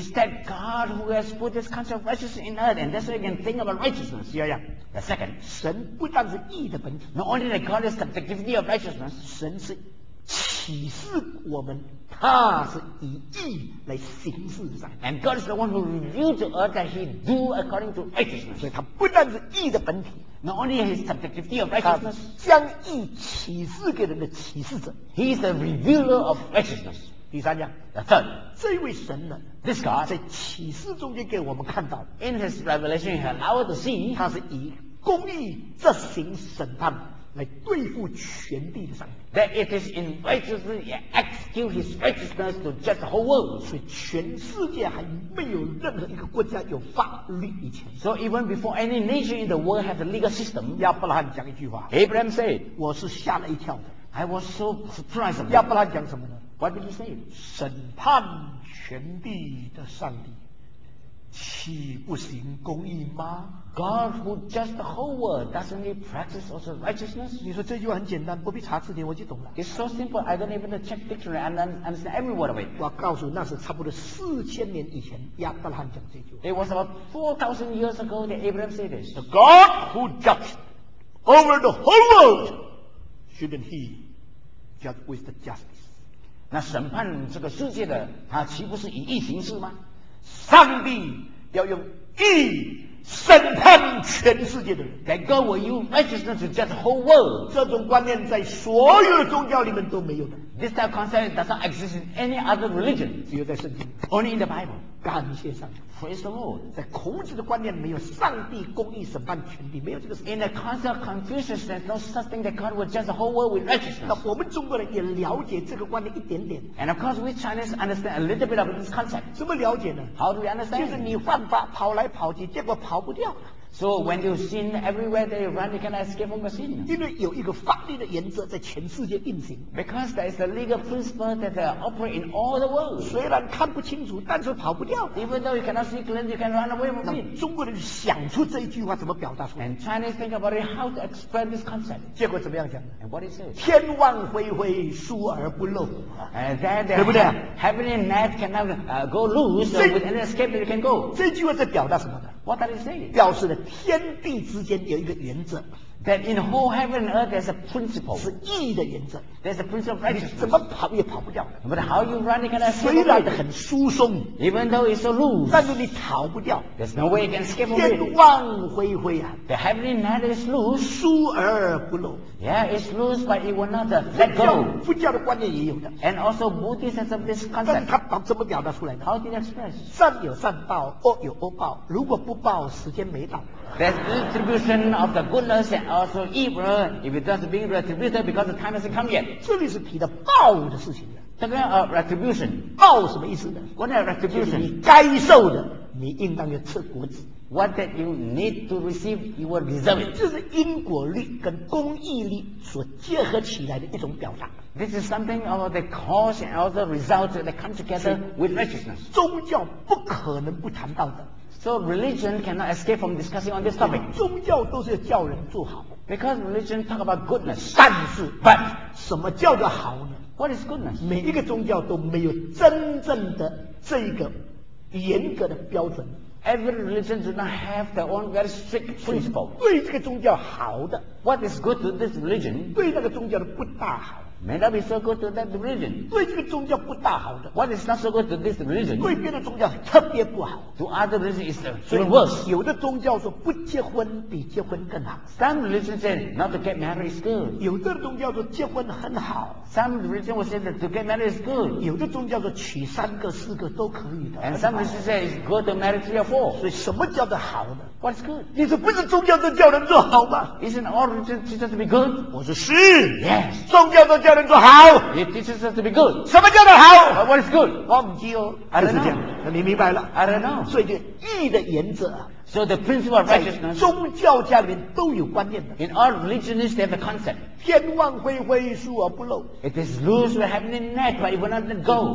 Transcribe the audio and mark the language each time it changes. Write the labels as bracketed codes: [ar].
[en] Is that God who has put this concept of righteousness in earth, and that's why you can think about righteousness? [zh] 第二样。 [en] The second. [zh] 神不但是义的本体。 [en] Not only that God is the subjectivity of righteousness. [zh] 神是启示我们。他是以义来行事上。 [en] And God is the one who revealed to us that he do according to righteousness. [zh] 所以他不但是义的本体。 [en] Not only his subjectivity of righteousness. [zh] 他将义启示给人的启示者。 [en] He is the revealer of righteousness. [zh] 第三样。 [en] The third. [zh] 这位神呢。 [en] This God. [zh] 在启示中间给我们看到。 [en] In his revelation he allowed to see. [zh] 他是以公义执行审判。来对付全地的上帝。 [en] That it is in righteousness, he executes his righteousness to judge the whole world. [zh] 所以全世界还没有任何一个国家有法律以前。 [en] So even before any nation in the world has a legal system, [zh] 亚伯拉罕讲一句话。 [en] Abraham said, [zh] 我是吓了一跳的。 [en] I was so surprised. [zh] 亚伯拉罕讲什么呢？ [en] What did he say? [zh] 审判全地的上帝。岂不行公义吗？ [en] God who judges the whole world, doesn't he practice also righteousness? [zh] 你说这句话很简单，不必查字典我就懂了。 [en] It's so simple, I don't even check dictionary and understand every word of it. [zh] 我告诉那是差不多4000年以前亚伯拉罕讲这句话。 [en] It was about 4000 years ago that Abraham said this. The God who judges over the whole world, shouldn't he judge with the justice? [zh] 那审判这个世界的他岂不是以义行事吗？上帝要用义审判全世界的人。 [en] That God will use righteousness to judge the whole world. [zh] 这种观念在所有的宗教里面都没有的。 [en] This type of concept does not exist in any other religion. [zh] 只有在圣经。 [en] Only in the Bible. [zh] 感谢上帝。 [en] Praise the Lord. [zh] 在孔子的观念没有上帝公义审判全地，没有这个事。 [en] In the concept of Confucius, there's no such thing that God will judge the whole world with righteousness. [zh] 那我们中国人也了解这个观念一点点。 [en] And of course, we Chinese understand a little bit of this concept. [zh] 怎么了解呢？ [en] How do we understand? [zh] 就是你犯法跑来跑去，结果跑不掉。 [en] So when you sin everywhere they run, you cannot escape from the sin. [zh] 因为有一个法律的原则在全世界运行。 [en] Because there is a legal principle that operates in all the world. [zh] 虽然看不清楚，但是跑不掉。 [en] Even though you cannot see clearly, you can run away from it. [zh] 中国人想出这一句话怎么表达出来 [en] ？And Chinese think about it, how to explain this concept. [zh] 结果怎么样讲 [en] ？And what is it? [zh] 天网恢恢，疏而不漏。 [en] And then the [zh] 对不对 [en] ？Heaven and net cannot go loose, so with any escape you can go. [zh] 这句话在表达什么的？ [en] What does it say? [zh] 表示了天地之间有一个原则。 [en] That in whole heaven and earth there's a principle. [zh] 是义的原则。 [en] There's a principle of righteousness. [zh] 怎么跑也跑不掉。 [en] But how you run, you cannot escape. [zh] 虽然很疏松。 [en] Even though it's so loose. [zh] 但是你逃不掉。 [en] There's no way you can escape from it. [zh] 天网恢恢啊。 [en] The heavenly net is loose. [zh] 疏而不漏。 [en] Yeah, it's loose, but it will not let go. [zh] 佛教的观念也有的。 [en] And also Buddhist has of this concept. [zh] 但是他怎么表达出来的 [en] ？How did he express? [zh] 善有善报，恶有恶报。如果不报，时间没到。 [en] There's distribution of the goodness and also evil. If it doesn't being retributed because the time hasn't come yet. [zh] 这里是提的报的事情的。这个retribution，报什么意思呢 [en] ？What is retribution？ [zh] 你该受的，你应当要吃果子。 [en] What that you need to receive, you will deserve it. [zh] 这是因果律跟公义律所结合起来的一种表达。 [en] This is something about the cause and also result that come together with righteousness. [zh] 宗教不可能不谈到的。 [en] So religion cannot escape from discussing on this topic. [zh] 宗教都是叫人做好。 [en] Because religion talk about goodness. [zh] 但是 ，but 什么叫做好呢 [en] ？What is goodness? [zh] 每一个宗教都没有真正的这一个严格的标准。 [en] Every religion does not have their own very strict principle. [zh] 对这个宗教好的 [en] ，What is good to this religion? [zh] 对那个宗教的不大好。 [en] May not be so good to that religion. [zh] 对这个宗教不大好的。 [en] What is not so good to this religion? [zh] 对别的宗教特别不好。 [en] To other religion is even worse. [zh] 有的宗教说不结婚比结婚更好。 [en] Some religion say not to get married is good. [zh] 有的宗教说结婚很好。 [en] Some religion will say that to get married is good. [zh] 有的宗教说娶三个四个都可以的。 [en] And some religion say it's good to marry three or four. [zh] 所以什么叫做好的？ [en] What is good? [zh] 你说不是宗教都叫人做好吗？ [en] Isn't all religion teaches to be good? [zh] 我说是。 [en] Yes. [zh] 宗教都叫人做好。 [en] It teaches us to be good. [zh] 什么叫做好？ [en] What is good? [zh] 忘记哦。就是这样。那你明白了？ [en] I don't know. [zh] 所以就义的原则。 [en] So the principle of righteousness. [zh] 宗教家里面都有观念的。 [en] In all religions, they have a concept. [zh] 天网恢恢，疏而不漏。 [en] It is loose with heaven and net, but it will not let go.